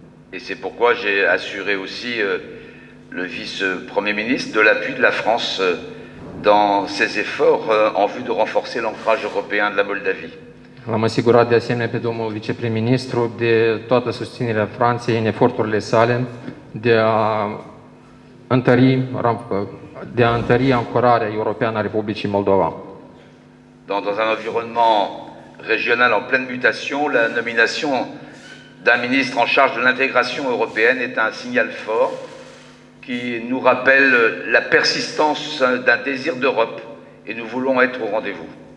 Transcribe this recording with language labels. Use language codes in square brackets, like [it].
[fr] Et c'est pourquoi j'ai assuré aussi le vice-premier ministre de l'appui de la France dans ses efforts en vue de renforcer l'ancrage européen de la Moldavie. [ro] L-am asigurat de asemenea pe domnul viceprim-ministru de toată susținerea Franței în eforturile sale de a întări ancorarea europeană a Republicii Moldova. [fr] Dans un environnement régional en pleine mutation, la nomination d'un ministre en charge de l'intégration européenne est un signal fort qui nous rappelle la persistance d'un désir d'Europe et nous voulons être au rendez-vous.